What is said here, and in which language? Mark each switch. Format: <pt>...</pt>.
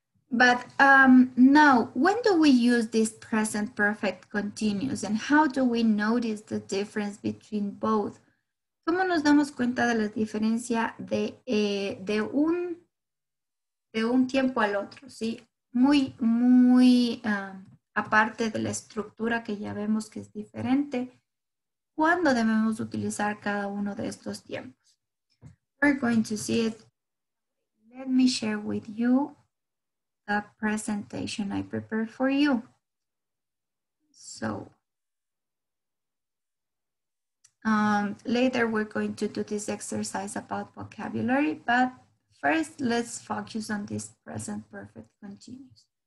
<en>But now, when do we use this present perfect continuous and how do we notice the difference between both?</en> <es>¿Cómo nos damos cuenta de la diferencia de un tiempo al otro? ¿Sí? Muy, muy aparte de la estructura que ya vemos que es diferente. ¿Cuándo debemos utilizar cada uno de estos tiempos?</es> <en>We're going to see it. Let me share with you the presentation I prepared for you. So... later we're going to do this exercise about vocabulary, but first let's focus on this present perfect continuous.</en>